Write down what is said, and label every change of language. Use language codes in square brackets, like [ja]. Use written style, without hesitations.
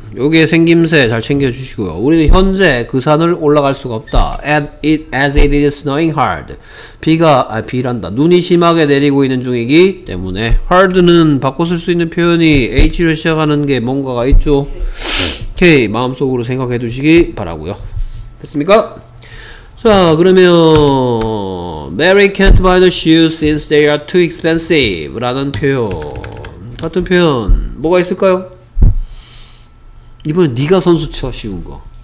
[ko] 여기에 생김새 잘 챙겨주시고요. 우리는 현재 그 산을 올라갈 수가 없다. [en] As it is snowing hard. [ko] 비란다. 눈이 심하게 내리고 있는 중이기 때문에 hard는 바꿔 쓸 수 있는 표현이 h로 시작하는 게 뭔가가 있죠. 오케이, 마음속으로 생각해 두시기 바라고요. 됐습니까? 자, 그러면 [en] Mary can't buy the shoes since they are too expensive [ko] 라는 표현. 같은 표현 뭐가 있을까요? 이번에 네가 선수 쳐 쉬운 거.